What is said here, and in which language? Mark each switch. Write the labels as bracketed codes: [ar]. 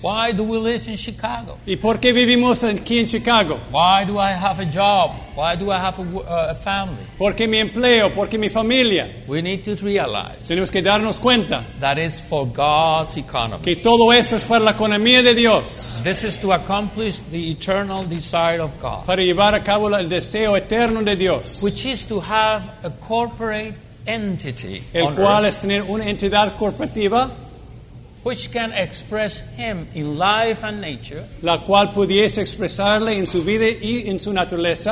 [en] Why do we live in Chicago? [es] ¿Y por qué vivimos aquí en Chicago? [en] Why do I have a job? Why do I have a family? [es] ¿Por qué mi empleo? ¿Por qué mi familia? [en] We need to realize. [es] Tenemos que darnos cuenta. [en] That is for God's economy. [es] Que todo esto es para la economía de Dios. [en] This is to accomplish the eternal desire of God. [es] Para llevar a cabo el deseo eterno de Dios. [en] Which is to have a corporate entity on earth. [es] El cual es tener una entidad corporativa. [en] Which can express him in life and nature. [es] La cual pudiese expresarle en su vida y en su naturaleza.